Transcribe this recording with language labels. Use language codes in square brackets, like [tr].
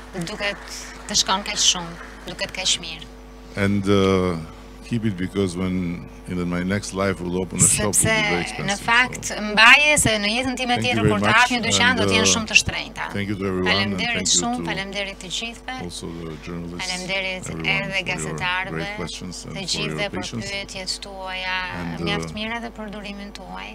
[sq] Duket të shkon kaq shumë, duket kaq mirë. [en] And keep it because when in my next life will open a shop will be very expensive. [sq] Në fakt mbaje se në jetën time tjetër kur të hap një dyqan do të jenë shumë të shtrenjta. [en] Thank you to everyone. Faleminderit [sq] shumë, faleminderit të gjithëve. [en] Also the journalists. [sq] Faleminderit edhe gazetarëve. Të gjithëve për pyetjet tuaja, mjaft mira dhe për durimin tuaj.